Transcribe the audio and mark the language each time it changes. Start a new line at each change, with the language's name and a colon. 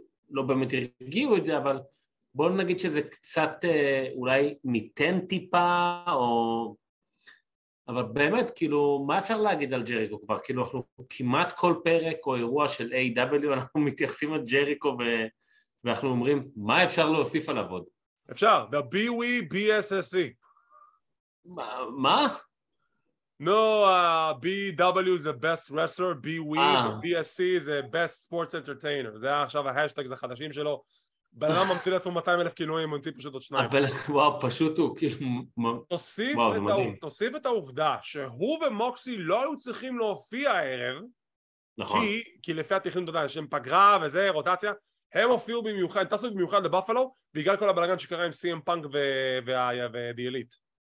Hebrew: לא באמת הרגיעו את זה, אבל בואו נגיד שזה קצת אולי ניתן טיפה, או... אבל באמת, כאילו, מה אפשר להגיד על ג'ריקו כבר? כאילו, אנחנו כמעט כל פרק או אירוע של AW, אנחנו מתייחסים על ג'ריקו ואנחנו אומרים, מה אפשר להוסיף עליו עוד? אפשר,
English: the B-W-E, B-S-S-E.
Hebrew: מה?
English: No, BW is the best wrestler, BW, BSC is the best sports entertainer.
Hebrew: זה היה עכשיו ההשטג, זה החדשים שלו. בן אדם ממציא לעצמו 200,000 כינויים, ממציא פשוט עוד שניים. וואו, פשוט הוא כאילו... תוסיף את העובדה שהוא ומוקסי לא היו צריכים להופיע הערב, נכון. כי לפי התכנון, אתה יודע, שהם פגרה וזה, רוטציה, הם הופיעו במיוחד, טסו במיוחד לבאפלו, בגלל כל הבלגן שקרה עם סי-אם פאנק ודי אליט.